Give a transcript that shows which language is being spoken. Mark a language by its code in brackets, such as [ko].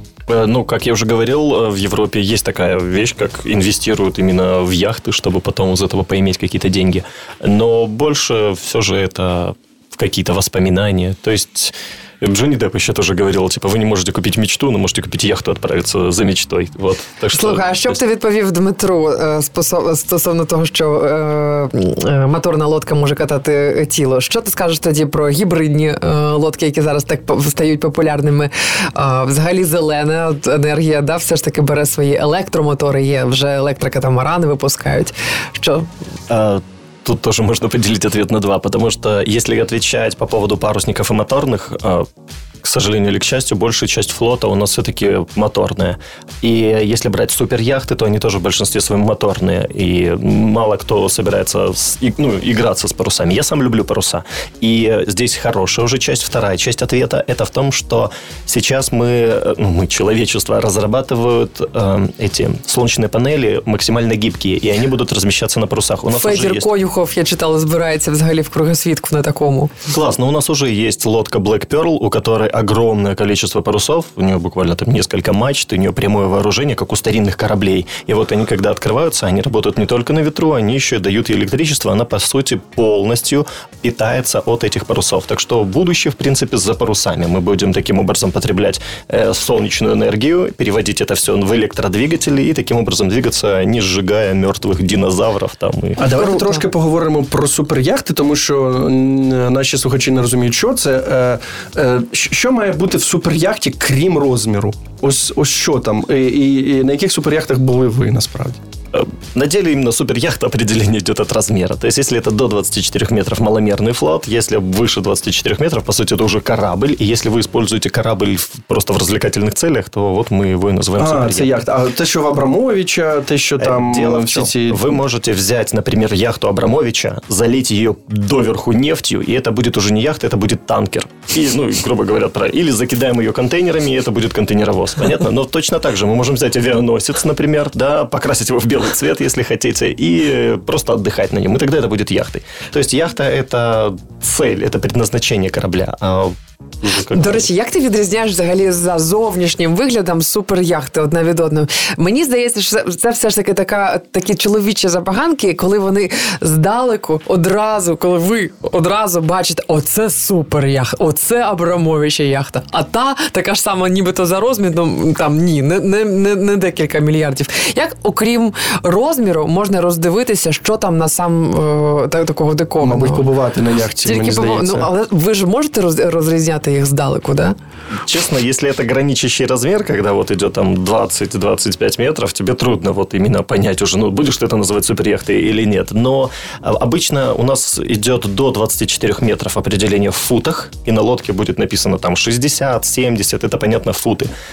[ru] Ну, как я уже говорил, в Европе есть такая вещь, как инвестируют именно в яхты, чтобы потом из этого поиметь какие-то деньги. Но больше все же это в какие-то воспоминания. То есть... [uk] Джонні Депп ще теж говорила, типу, ви не можете купити мечту, але можете купити яхту, відправитися за мечтою. Вот. Так що, слухай, а що б ти відповів Дмитру стосовно того, що моторна лодка може катати тіло? Що ти скажеш тоді про гібридні лодки, які зараз так стають популярними? Взагалі зелена енергія, да, все ж таки бере свої електромотори, є вже електрокатамарани випускають. Що? [ru] Тут тоже можно поделить ответ на два, потому что если отвечать по поводу парусников и моторных, к сожалению или к счастью, большая часть флота у нас все-таки моторная. И если брать суперяхты, то они тоже в большинстве своем моторные, и мало кто собирается играться с парусами. Я сам люблю паруса. И здесь хорошая уже часть, вторая часть ответа, это в том, что сейчас мы человечество, разрабатывают эти солнечные панели максимально гибкие, и они будут размещаться на парусах. У нас уже есть... [uk] Коюхов, я читала, збирається взагалі в кругосвітку на такому. [ru] Класс, но у нас уже есть лодка Black Pearl, у которой огромное количество парусов, у нее буквально там несколько мачт, у нее прямое вооружение, как у старинных кораблей. И вот они, когда открываются, они работают не только на ветру, они еще и дают ей электричество. Она, по сути, полностью питается от этих парусов. Так что будущее, в принципе, за парусами. Мы будем таким образом потреблять солнечную энергию, переводить это все в электродвигатели и таким образом двигаться, не сжигая мертвых динозавров. Там, и... [uk] А давайте трошки поговоримо про суперяхти, тому що наші слухачі не розуміють, що це. Що має бути в суперяхті, крім розміру? Ось що там? І на яких суперяхтах були ви, насправді? [ru] На деле именно суперяхта определение идет от размера. То есть, если это до 24 метров маломерный флот, если выше 24 метров, по сути, это уже корабль. И если вы используете корабль просто в развлекательных целях, то вот мы его и называем суперяхтой. Это яхта. А то, что в Абрамовича, то, что там... Дело в чем. Вы можете взять, например, яхту Абрамовича, залить ее доверху нефтью, и это будет уже не яхта, это будет танкер. И, ну, грубо говоря, или закидаем ее контейнерами, и это будет контейнеровоз. Понятно? Но точно так же. Мы можем взять авианосец, например, да, покрасить его в белый цвет, если хотите, и просто отдыхать на нем. И тогда это будет яхтой. То есть яхта – это цель, это предназначение корабля. А... [uk] До речі, як ти відрізняєш взагалі за зовнішнім виглядом суперяхти одна від одної? Мені здається, що це все ж таки такі чоловічі забаганки, коли вони здалеку, одразу, коли ви одразу бачите, оце суперяхта, оце Абрамовича яхта, а та така ж сама нібито за розміром, там ні, не декілька мільярдів. Як, окрім розміру, можна роздивитися, що там на сам такого дикого? Мабуть, побувати на яхті, тільки мені здається. Ну, але ви ж можете розрізняти [ru] их сдалеку, [uk] да? [ru] Честно, если это граничащий размер, когда вот идет там 20-25 метров, тебе трудно вот именно понять уже, ну, будешь ты это называть суперяхтой или нет. Но обычно у нас идет до 24 метров определение в футах, и на лодке будет написано там 60-70, это, понятно, футы.